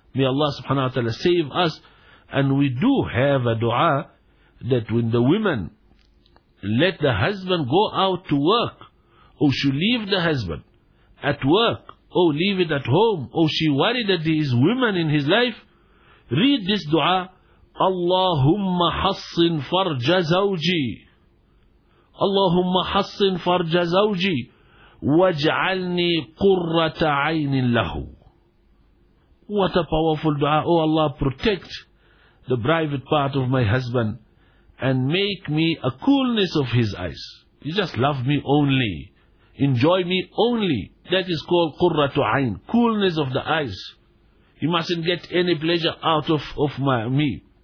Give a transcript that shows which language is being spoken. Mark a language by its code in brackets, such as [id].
[en] May Allah subhanahu wa ta'ala save us. And we do have a dua that when the women let the husband go out to work, or she leave the husband at work, or leave it at home, or she worried that there is women in his life, read this dua, [ar] اللهم حصن فرج زوجي، اللهم حصن فرج زوجي واجعلني قرة عين له. [en] What a powerful dua. Oh Allah, protect the private part of my husband and make me a coolness of his eyes. You just love me only, enjoy me only. That is called qurratu ayn, coolness of the eyes. He mustn't get any pleasure out of my me.